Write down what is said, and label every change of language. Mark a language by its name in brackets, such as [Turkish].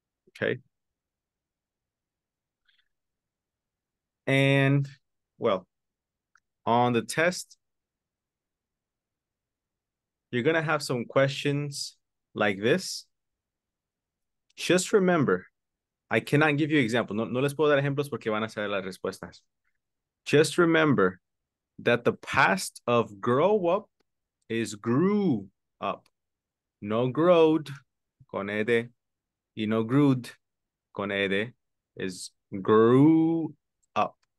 [English] Okay. And, well, on the test, you're going to have some questions like this. Just remember, I cannot give you examples. [Spanish] No, no les puedo dar ejemplos porque van a saber las respuestas. [English] Just remember that the past of grow up is grew up. No growed, [Spanish] con ed, y no grewed, con ed, [English] is grew up.